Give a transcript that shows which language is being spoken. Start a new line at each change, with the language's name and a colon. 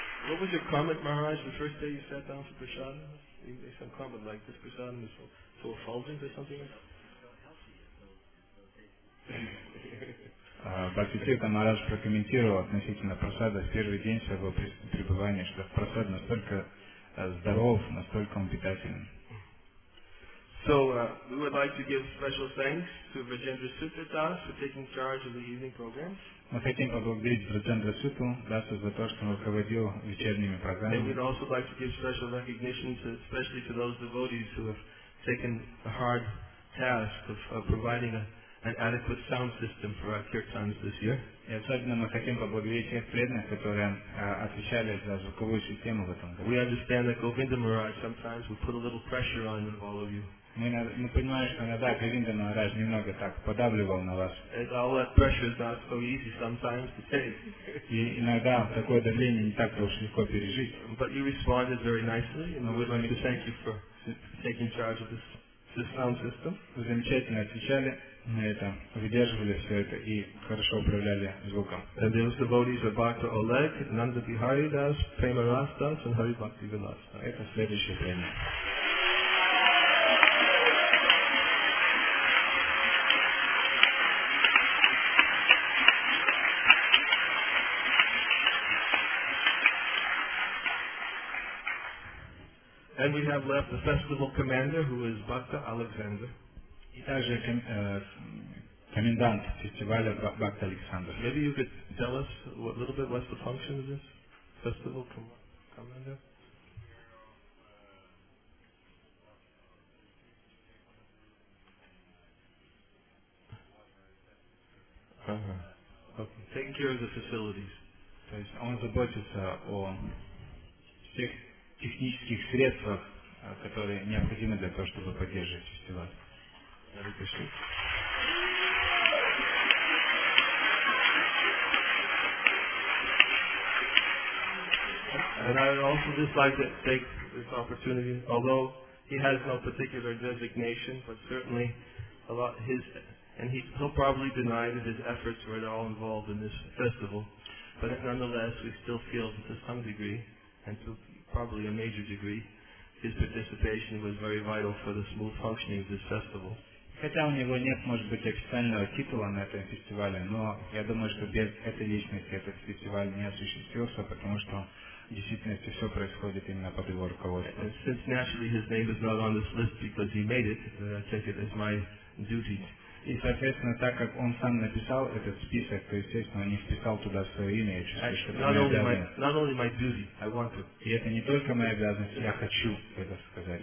English: What was your comment, Maharaj, the first day you sat down for prasadam? You made some comment like, this prasadam is so effulgent or something like that?
Russian: Бхактисиддханта Махарадж прокомментировал относительно просада в первый день своего пребывания, что просад настолько здоров, настолько он питателен.
English: So, we would like to give special thanks to Vrajendra Sutradas for taking charge of the evening programs.
Russian: Мы хотим поблагодарить Вриджендра Суту Даса за то, что он руководил вечерними программами.
English: And we'd also like to give special recognition to, especially to those devotees who have taken the hard task of providing an adequate sound system for our kirtans this year.
Russian: И особенно мы хотим поблагодарить тех преданных, которые отвечали за звуковую систему в этом году.
English: We understand that Govinda Maharaj sometimes would put a little pressure on all of you.
Russian: Мы понимаем, что иногда Говинда Махарадж немного так подавливал на вас.
English: And all that pressure is not so easy sometimes to take.
Russian: И иногда такое давление не так-то уж легко пережить.
English: But you responded very nicely, and we'd like to thank you for taking charge of this sound system.
Russian: Вы замечательно отвечали на это, выдерживали все это и хорошо управляли звуком.
English: And those devotees are Bhakta Oleg, Nanda Bihari Das, Prema Ras Das, and Hari Bhakti Vilas.
Russian: Это следующее время.
English: And And we have left the festival commander, who is Bhakta Alexander.
Russian: И также комендант фестиваля Бхакта Александр.
English: Maybe you could tell us a little bit what's the function of this festival commander? Uh-huh. Okay. Taking care of the facilities.
Russian: То есть он заботится о всех технических средствах, которые необходимы для того, чтобы поддерживать фестиваль.
English: Hare Krishna. And I would also just like to take this opportunity, although he has no particular designation, but certainly a lot his, and he'll probably deny that his efforts were at all involved in this festival, but nonetheless, we still feel that to some degree, and to probably a major degree, his participation was very vital for the smooth functioning of this festival.
Russian: Хотя у него нет, может быть, официального титула на этом фестивале, но я думаю, что без этой личности этот фестиваль не осуществился, потому что действительно все происходит именно под его руководством.
English: And since naturally his name is not on this list because he made it, I take it as my duty.
Russian: И, соответственно, так как он сам написал этот список, то, естественно, он не вписал туда свое имя, я чувствую, что это
English: not only my duty, I want to.
Russian: И это не только моя обязанность, я хочу это сказать.